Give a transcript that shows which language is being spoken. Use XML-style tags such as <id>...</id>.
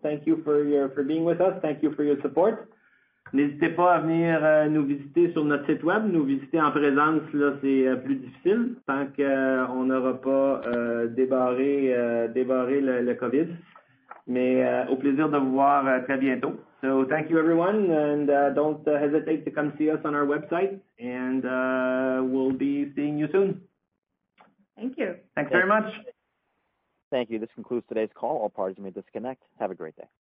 <en>Thank you for being with us. Thank you for your support.</en> <fr>N'hésitez pas à venir nous visiter sur notre site web. Nous visiter en présence, là, c'est plus difficile tant qu'on n'aura pas débarré le COVID. Mais au plaisir de vous voir très bientôt.</fr> <en>So thank you everyone, and don't hesitate to come see us on our website, and we'll be seeing you soon. Thank you. Thanks very much. Thank you. This concludes today's call. All parties may disconnect. Have a great day.</en>